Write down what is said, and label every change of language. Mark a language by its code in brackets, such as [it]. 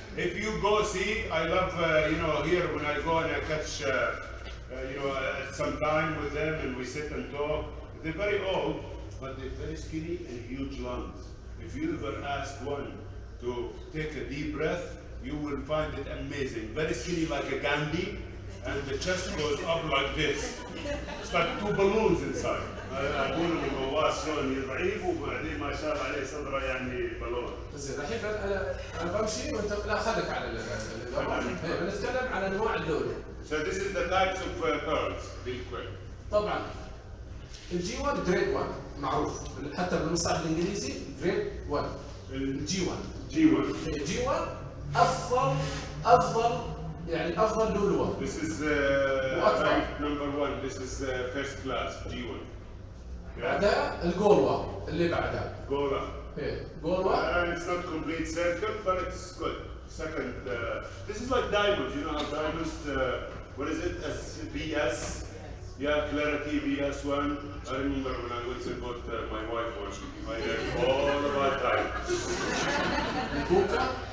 [en] If you go see, I love, you know, here when I go and I catch, you know, some time with them and we sit and talk. They're very old, but they're very skinny and huge lungs. If you ever ask one to take a deep breath, you will find it amazing. Very skinny like a Gandhi, and the chest goes up like this. It's like two balloons inside. [ar] اقول ان الغواص شلون ضعيف وبعدين ما شاء الله عليه صدره يعني بلور. زين الحين انا بمشي وانت لا خليك على الغواص. بنتكلم على انواع اللوده. [en] So this is the types of pearls, real quick. [ar] طبعا الجي 1 جريد 1 معروف حتى بالمصطلح الانجليزي جريد 1. الجي 1 جي 1 جي 1 افضل افضل يعني افضل لولو. [en] This is rank number 1. This is first class G1. [ar] بعدها الجولوا اللي بعدها جولا. جولوا [en] it's not complete circle but it's good. Second this is like diamonds, you know how diamonds what is it, BS? Yeah, clarity BS1. I remember when I went to bought my wife one, she my hair all about diamonds.